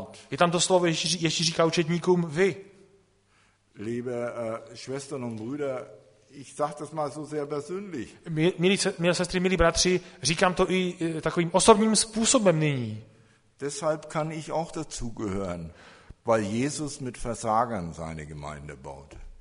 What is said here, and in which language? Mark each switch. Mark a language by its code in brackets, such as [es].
[cs] Je tam to slovo, Ježíš říká učedníkům, vy. [de] Liebe Schwestern und Brüder, ich sag das mal so sehr persönlich. [cs] Milí sestry, milí bratři, říkám to i takovým osobním způsobem nyní. [de] Deshalb kann ich auch dazugehören, weil Jesus mit Versagern seine Gemeinde baut.